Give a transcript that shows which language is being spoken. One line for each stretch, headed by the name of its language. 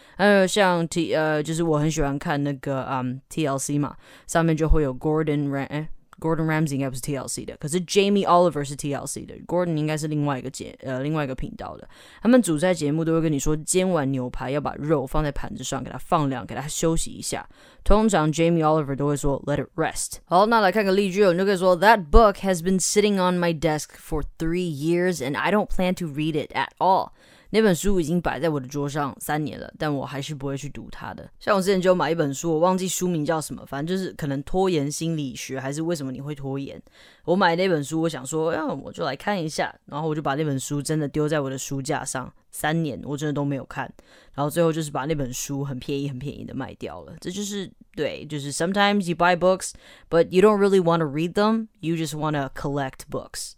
Chinese: 还有像 就是我很喜欢看那个TLC 嘛，上面就会有 Gordon Ramsay 应该不是 TLC 的，可是 Jamie Oliver 是 TLC 的， Gordon 应该是另外一个频道的。他们主在节目都会跟你说，煎完牛排要把肉放在盘子上，给它放凉，给它休息一下。通常 Jamie Oliver 都会说
English: Let it rest。
Chinese: 好，那来看个例句，你就可以说
English: That book has been sitting on my desk for 3 years and I don't plan to read it at all。
Chinese: 那本书已经摆在我的桌上3年了，但我还是不会去读它的。像我之前就买一本书，我忘记书名叫什么，反正就是可能拖延心理学，还是为什么你会拖延。我买那本书，我想说，我就来看一下，然后我就把那本书真的丢在我的书架上，3年我真的都没有看，然后最后就是把那本书很便宜很便宜的卖掉了。这就是对，就是
English: sometimes you buy books, but you don't really want to read them, you just want to collect books。